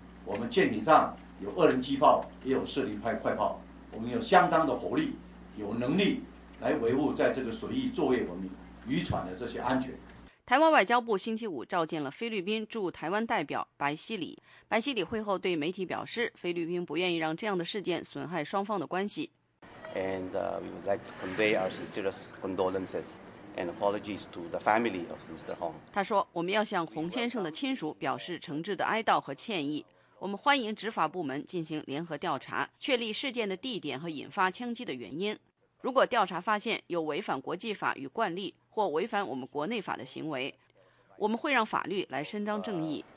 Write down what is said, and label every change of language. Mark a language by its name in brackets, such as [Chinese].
[Chinese] 我们舰艇上有2人机炮，也有40发快炮，我们有相当的火力，有能力来维护在这个水域作业文明渔船的这些安全。台湾外交部星期五召见了菲律宾驻台湾代表白希里。白希里会后对媒体表示，菲律宾不愿意让这样的事件损害双方的关系。 [English] And we would like to convey our sincerest condolences and apologies to the family of Mr. Hong. [Chinese] 他说，我们要向洪先生的亲属表示诚挚的哀悼和歉意。我们欢迎执法部门进行联合调查，确立事件的地点和引发枪击的原因。如果调查发现有违反国际法与惯例或违反我们国内法的行为，我们会让法律来伸张正义。